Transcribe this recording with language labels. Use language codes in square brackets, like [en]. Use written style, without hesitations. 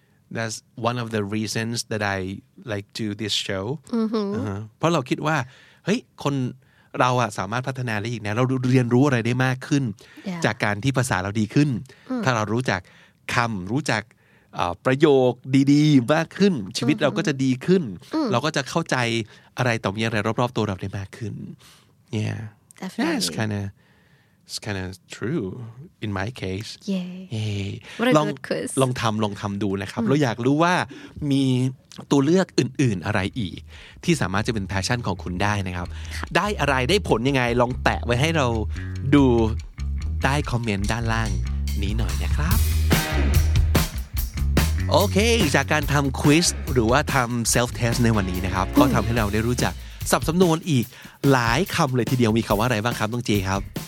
[en] That's one of the reasons that I like do this show. [th] เพราะเราคิดว่าเฮ้ยคนเราอ่ะสามารถพัฒนาได้อีกนะเราเรียนรู้อะไรได้มากขึ้น [en] yeah. [th] จากการที่ภาษาเราดีขึ้น [en] mm-hmm. [th] ถ้าเรารู้จักคำรู้จักประโยคดีๆมากขึ้น mm-hmm. ชีวิตเราก็จะดีขึ้น [en] mm-hmm. [th] เราก็จะเข้าใจอะไรต่อมีอะไรรอบๆตัวเราได้มากขึ้น Yeah. [en] Definitely. Yeah, it's kind of true in my case. Yay. What a good quiz. [th] ลองทำดูนะครับเราอยากรู้ว่ามีตัวเลือกอื่นๆอะไรอีกที่สามารถจะเป็นแพชชั่นของคุณได้นะครับได้อะไรได้ผลยังไงลองแตะไว้ให้เราดูใต้คอมเมนต์ด้านล่างนี้หน่อยนะครับโอเคจากการทำควิสหรือว่าทำเซลฟ์เทสในวันนี้นะครับก็ทำให้เราได้รู้จักศัพท์สำนวนอีกหลายคำเลยทีเดียวมีคำว่าอะไรบ้างครับต้องเจครับ